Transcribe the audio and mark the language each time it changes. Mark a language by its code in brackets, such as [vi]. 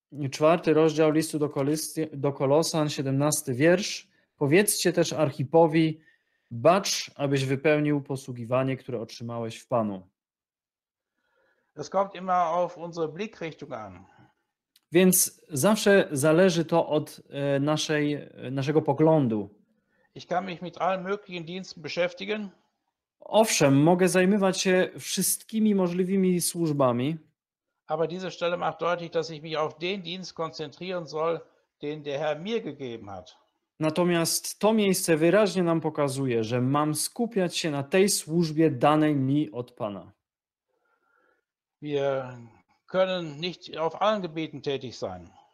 [pl] Czwarty rozdział listu do Kolosan, 17 wiersz. Powiedzcie też Archipowi, bacz, abyś wypełnił posługiwanie, które otrzymałeś w Panu. [de] Es kommt immer auf unsere Blickrichtung an. [pl] Więc zawsze zależy to od naszego poglądu. [de] Ich kann mich mit allen möglichen Diensten beschäftigen. [pl] Owszem, mogę zajmować się wszystkimi możliwymi służbami. [de] Aber diese Stelle macht deutlich, dass ich mich auf den Dienst konzentrieren soll, den der Herr mir gegeben hat. [pl] Natomiast to miejsce wyraźnie nam pokazuje, że mam skupiać się na tej służbie danej mi od Pana. [de] Wir können nicht auf allen Gebieten tätig sein.